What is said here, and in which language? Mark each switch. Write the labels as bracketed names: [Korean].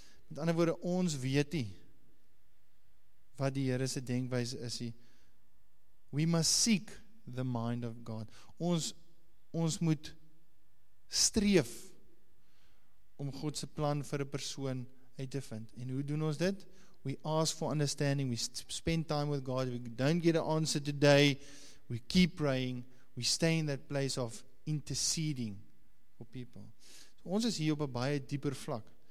[Afrikaans] Met ander woorde, ons weet nie wat die Here se denkwyse is nie. [English] We must seek the mind of God. [Afrikaans] Ons moet streef om God se plan vir 'n persoon uit te vind. En hoe doen ons dit? [English] We ask for understanding. We spend time with God. We don't get an answer today. We keep praying. We stay in that place of interceding for people. [Afrikaans] So ons is hier op 'n baie dieper vlak.